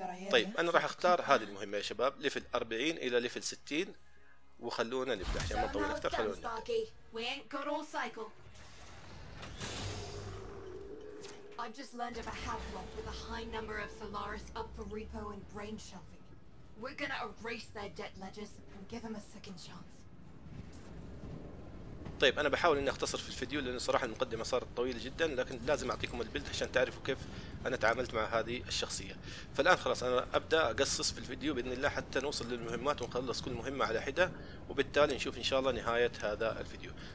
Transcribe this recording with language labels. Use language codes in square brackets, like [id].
[ar] طيب انا راح اختار هذه المهمه يا شباب، ليفل 40 الى ليفل 60، وخلونا نبدا عشان ما نطول اكثر. خلونا نبدأ. [en] We ain't got all cycle. I've just learned of a house lock with a high number of Solaris up for repo and brain shelving. We're gonna erase their debt ledgers and give them a second chance. [ar] طيب انا بحاول اني اختصر في الفيديو لانه صراحه المقدمه صارت طويله جدا، لكن لازم اعطيكم البيلد عشان تعرفوا كيف انا تعاملت مع هذه الشخصيه. فالان خلاص انا ابدا اقصص في الفيديو باذن الله حتى نوصل للمهمات ونخلص كل مهمه على حده، وبالتالي نشوف ان شاء الله نهايه هذا الفيديو.